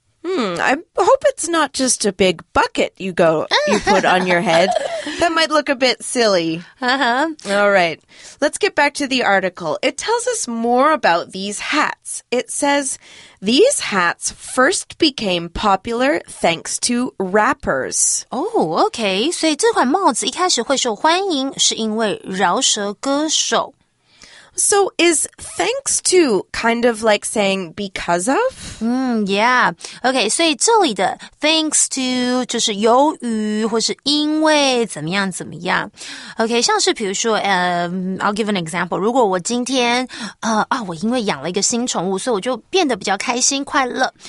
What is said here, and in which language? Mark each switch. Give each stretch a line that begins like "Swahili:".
English: I hope it's not just a big bucket you put on your head. That might look a bit silly. Uh-huh. All right. Let's get back to the article. It tells us more about these hats. It says, these hats first became popular thanks to rappers. Oh, okay.
Chinese: 所以这款帽子一开始会受欢迎是因为饶舌歌手。
English: So is thanks to kind of like saying because of?
Chinese: Yeah. Okay, 所以这里的 thanks to 就是由于或是因为怎么样怎么样。 Okay, 像是比如说
English: I'll give an example.
Chinese: 如果我今天我因为养了一个新宠物所以我就变得比较开心快乐。